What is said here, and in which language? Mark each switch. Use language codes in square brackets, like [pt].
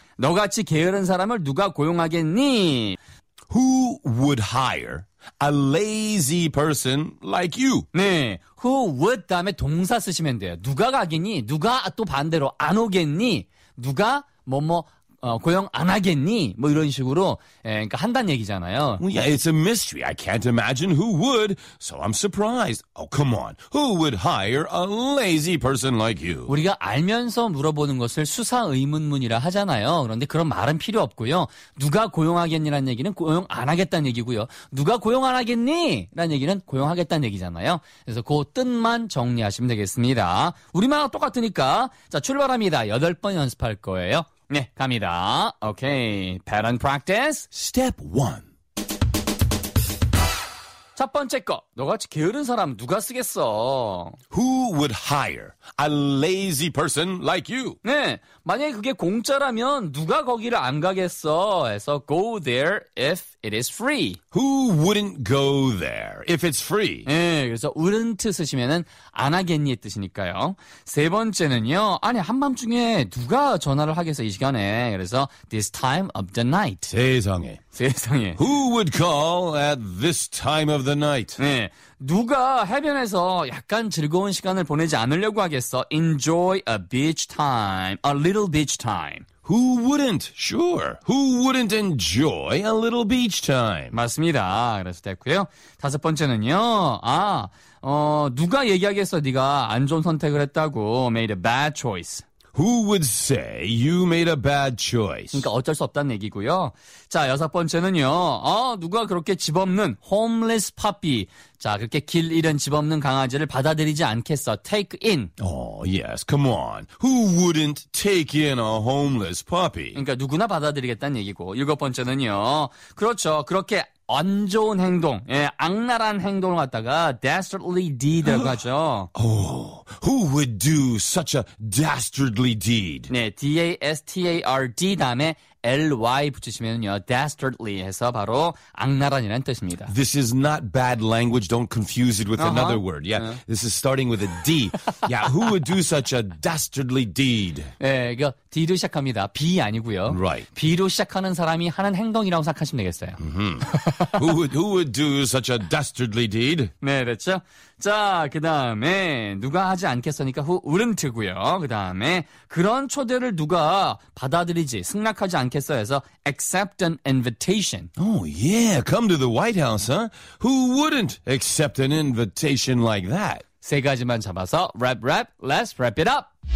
[ko] 너같이 게으른 사람을 누가 고용하겠니? [en] Who would hire a lazy person like you? [ko] 네. [en] Who would [ko] 다음에 동사 쓰시면 돼요. 누가 가겠니? 누가 또 반대로 안 오겠니? 누가 뭐뭐 고용 안 하겠니? 뭐 이런 식으로 그러니까 한다는 얘기잖아요. [en] Well, yeah, it's a mystery. I can't imagine who would. So I'm surprised. Oh, come on. Who would hire a lazy person like you? [ko] 우리가 알면서 물어보는 것을 수사 의문문이라 하잖아요. 그런데 그런 말은 필요 없고요. 누가 고용하겠니라는 얘기는 고용 안 하겠다는 얘기고요. 누가 고용 안 하겠니? 라는 얘기는 고용하겠다는 얘기잖아요. 그래서 그 뜻만 정리하시면 되겠습니다. 우리말과 똑같으니까 자 출발합니다. 8번 연습할 거예요. 네, 갑니다. [en] Okay, pattern practice. Step 1. [ko] 첫 번째 거. 너같이 게으른 사람 누가 쓰겠어? [en] Who would hire a lazy person like you? [ko] 네, 만약에 그게 공짜라면 누가 거기를 안 가겠어? 해서 [en] go there if it is free. Who wouldn't go there if it's free? [ko] 네, 그래서 wouldn't 쓰시면은 안 하겠니 뜻이니까요. 세 번째는요. 아니, 한밤중에 누가 전화를 하겠어, 이 시간에. 그래서 [en] this time of the night. [ko] 세상에. 세상에. [en] Who would call at this time of the night? [ko] 네. 누가 해변에서 약간 즐거운 시간을 보내지 않으려고 하겠어? [en] Enjoy a beach time. A little beach time. Who wouldn't? Sure. Who wouldn't enjoy a little beach time? [ko] 맞습니다. 그래서 됐고요. 다섯 번째는요. 아, 누가 얘기하겠어? 네가 안 좋은 선택을 했다고. [en] Made a bad choice. Who would say you made a bad choice? [ko] 그러니까 어쩔 수 없다는 얘기고요. 자, 여섯 번째는요. 누가 그렇게 집없는 homeless puppy. 자, 그렇게 길 잃은 집없는 강아지를 받아들이지 않겠어. [en] Take in. Oh, yes. Come on. Who wouldn't take in a homeless puppy? [ko] 그러니까 누구나 받아들이겠다는 얘기고. 일곱 번째는요. 그렇죠. 그렇게 안 좋은 행동, 예, 악랄한 행동을 갖다가 dastardly deed라고 하죠. [en] Oh, who would do such a dastardly deed? [ko] 네, D-A-S-T-A-R-D 다음에 L-Y 붙이시면요. Dastardly 해서 바로 악랄한이라는 뜻입니다. [en] This is not bad language. Don't confuse it with another word. Yeah, this is starting with a D. Yeah, who would do such a dastardly deed? [ko] 네, 이거 D로 시작합니다. B 아니고요. [en] Right. [ko] B로 시작하는 사람이 하는 행동이라고 생각하시면 되겠어요. Mm-hmm. [en] Who would do such a dastardly deed? [ko] 네, 그렇죠. 자, 그 다음에 누가 하지 않겠습니까? [en] Who wouldn't고요. [ko] 그 다음에 그런 초대를 누가 받아들이지, 승낙하지 않겠어 해서 [en] accept an invitation. Oh yeah, come to the White House, huh? Who wouldn't accept an invitation like that? [ko] 세 가지만 잡아서 랩 랩, [en] let's wrap it up.